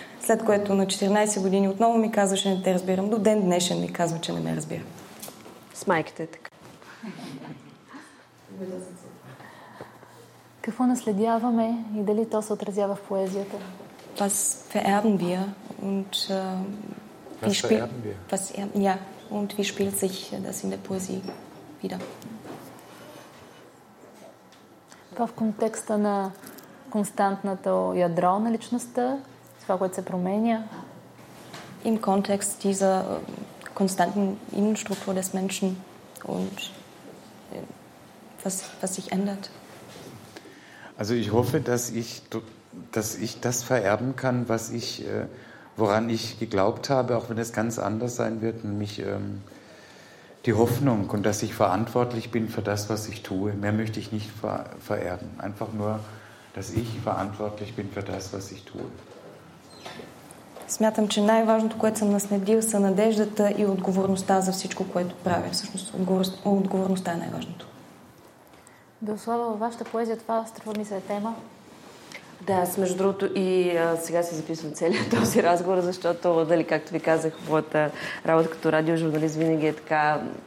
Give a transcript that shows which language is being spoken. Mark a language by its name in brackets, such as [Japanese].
[Bulgarian] След което на 14 години отново ми казваше, не те разбирам. До ден днешен ми казва, че не ме разбира. С майките така. Какво наследяваме и дали то се отразява в поезията? [German] Was vererben wir? Und, was vererben wir? Was, ja, und wie spielt sich das in der Poesie wieder? [Bulgarian] Това в контекста на константното ядро на личността, това, което се променя. [German] im Kontext dieser konstanten Innenstruktur des Menschen und was sich ändert. Also ich hoffe, dass ich das vererben kann, was ich, woran ich geglaubt habe, auch wenn es ganz anders sein wird, nämlich die Hoffnung und dass ich verantwortlich bin für das, was ich tue. Mehr möchte ich nicht vererben. Einfach nur, dass ich verantwortlich bin für das, was ich tue. [Bulgarian] Смятам, че най-важното, което съм наследил, са надеждата и отговорността за всичко, което правя. Всъщност, отговорността е най-важното. Дослава, във вашата поезия това струва ми се тема. Да, аз между другото и сега се записвам целият този разговор, защото, дали, както ви казах, моята работа като радиожурналист винаги е така.